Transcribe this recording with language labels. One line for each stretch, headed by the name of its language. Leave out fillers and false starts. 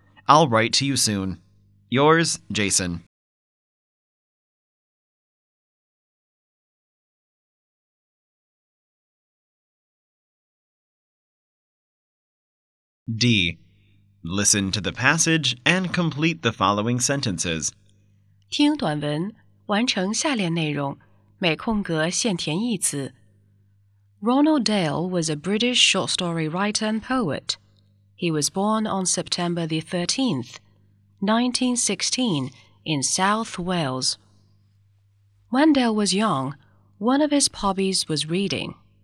English: I'll write to you soon. Yours, Jason. D. Listen to the passage and complete the following sentences.
Chinese: 听短文，完成下列内容，每空格现填一词。
English: Ronald Dale was a British short story writer and poet. He was born on September the 13th, 1916, in South Wales. When Dale was young, one of his hobbies was reading.